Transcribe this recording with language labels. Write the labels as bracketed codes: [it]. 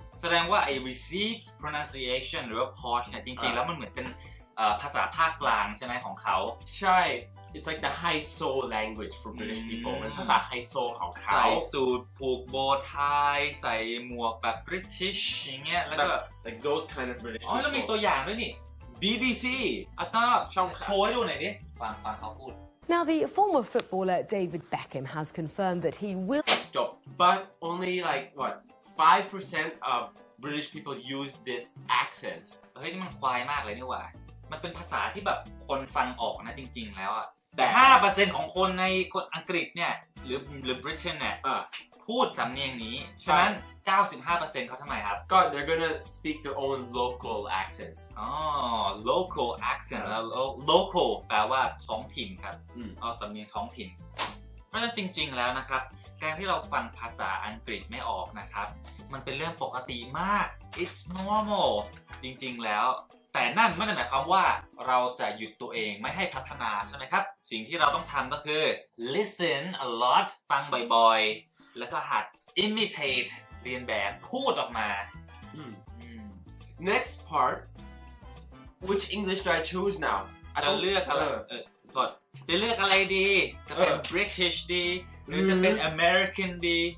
[th] แสดงว่าไอ้ received pronunciation หรือว่า posh เนี่ยจริงๆแล้วมันเหมือนเป็นภาษาภาคกลางใช่ไหมของเขา [en] ใช่ it's like the high soul language for British people [th] มันภาษาไฮโซของเขา ใส่สูทผูกโบไทใส่หมวกแบบ British อย่างเงี้ยแล้วก็ [en] like those kind of British [th] people อ๋อแล้วมีตัวอย่างด้วยนี่ BBC อัตรา ช่อง โชว์ให้ดูหน่อยดิฟังเขาพูด [en] Now the former footballer David Beckham has confirmed that he will จบ but only like what 5% of British people use this accent. [th] เฮ้ยนี่มันควายมากเลยนี่หว่ามันเป็นภาษาที่แบบคนฟังออกนะจริงๆแล้วอะแต่ 5% ของคนในคนอังกฤษเนี่ยหรือบริเตนเนี่ยพูดสำเนียงนี้ฉะนั้น 95% เขาทำไมครับ [en] ก็ they're gonna speak their own local accents [th] อ๋อ local accent แล้ว local แปลว่าท้องถิ่นครับเอาสำเนียงท้องถิ่นเพราะฉะนั้นจริงๆแล้วนะครับการที่เราฟังภาษาอังกฤษไม่ออกนะครับมันเป็นเรื่องปกติมาก [en] it's normal [th] จริงๆแล้วแต่นั่นไม่ได้หมายความว่าเราจะหยุดตัวเองไม่ให้พัฒนาใช่ไหมครับสิ่งที่เราต้องทำก็คือ [en] listen a lot [th] ฟังบ่อยๆแล้วก็หัด imitate เรียนแบบพูดออกมา [en] next part which English do I choose now [th] จะเลือกอะไรจะเลือกอะไรดีจะเป็น British ดีหรือจะเป็น American ดี